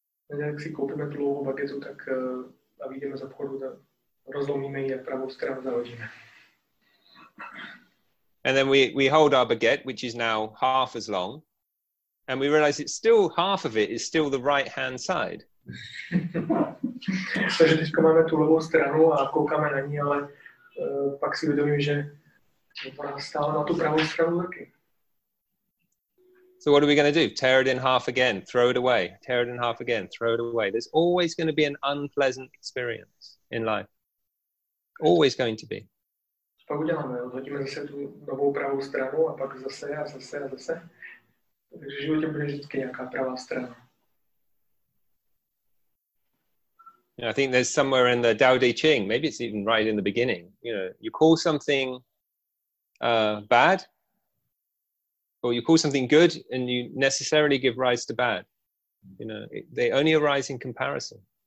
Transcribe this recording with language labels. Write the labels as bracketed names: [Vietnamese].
[English] And then we hold our baguette, which is now half as long, and we realize it's still half of it is still the right hand side. [Czech] Takže teďka máme tu levou stranu a koukáme na ní, ale pak si uvědomím, že to stále na tu pravou stranu taky. [English] So what are we going to do? Tear it in half again, throw it away. Tear it in half again, throw it away. There's always going to be an unpleasant experience in life. Always going to be. [Czech] pak uděláme, odhodíme zase tu novou pravou stranu a pak zase a zase a zase. Takže v životě bude vždycky nějaká pravá strana. [English] I think there's somewhere in the Tao Te Ching, maybe it's even right in the beginning, you know, you call something bad, or you call something good, and you necessarily give rise to bad. You know, they only arise in comparison.